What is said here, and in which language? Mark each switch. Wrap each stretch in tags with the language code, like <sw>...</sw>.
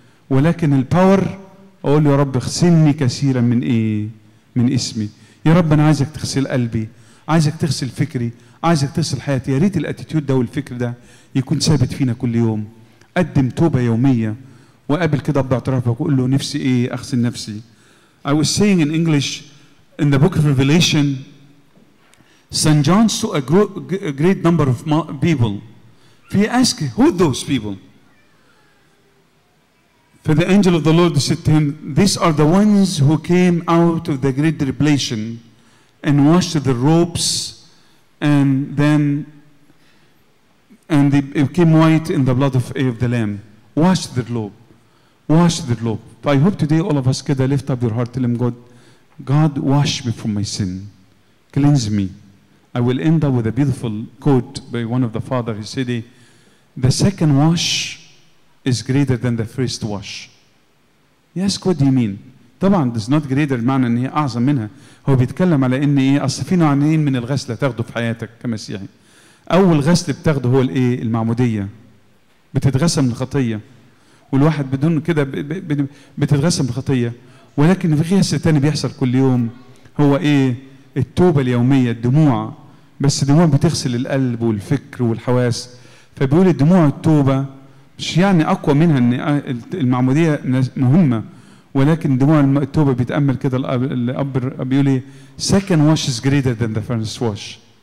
<ar>ولكن الباور أقول يا رب اغسلني كثيرا من إيه من اسمي يا رب أنا عايزك تغسل قلبي عايزك تغسل فكري عايزك تغسل حياتي يا ريت الاتيتيود ده والفكر ده يكون ثابت فينا كل يوم قدم توبة يومية وقابل كده باعترافك وقول له نفسي ايه اغسل نفسي</ar> <en>I was saying in English in the book of Revelation St. John saw a great number of people he asked who those people for the angel of the Lord said to him these are the ones who came out of the great tribulation and washed the robes and then and they became white in the blood of the lamb washed the robe Wash the globe. But I hope today all of us could lift up your heart, tell him God, God, wash me from my sin. Cleanse me. I will end up with a beautiful quote by one of the fathers. He said, the second wash is greater than the first wash. Yes, what do you mean?</en> <ar>طبعا</ar> <en>it's not greater</en> <ar>معنى ان هي اعظم منها. هو بيتكلم على ان ايه اصل في نوعين من الغسلة تاخده في حياتك كمسيحي. اول غسل بتاخده هو الايه المعمودية. بتتغسل من الخطية. والواحد بدون كده بتتغسل من الخطية ولكن في غسل تاني بيحصل كل يوم هو ايه التوبة اليومية الدموع بس الدموع بتغسل القلب والفكر والحواس فبيقول الدموع التوبة مش يعني اقوى منها ان المعمودية مهمة ولكن دموع التوبة بيتأمل كده الاب بيقول</ar> <en>second wash is greater than the first wash</en>